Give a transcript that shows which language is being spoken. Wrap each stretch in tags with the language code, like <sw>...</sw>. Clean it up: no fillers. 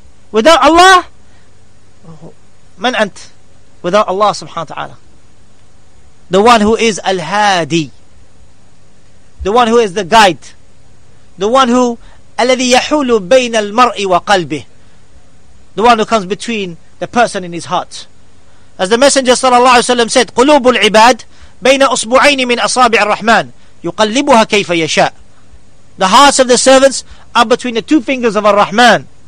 <en>Without Allah, man ant? Without Allah subhanahu wa ta'ala, the one who is al-hadi, the one who is the guide, the one who</en> <ar>الذي يحول بين المرء وقلبه,</ar> <en>the one who comes between the person and his heart. As the Messenger sallallahu alaihi wasallam said,</en> <ar>قلوب العباد بين أصبعين من أصابع الرحمن يقلبها كيف يشاء.</ar> <en>The hearts of the servants are between the two fingers of Ar-Rahman.</en>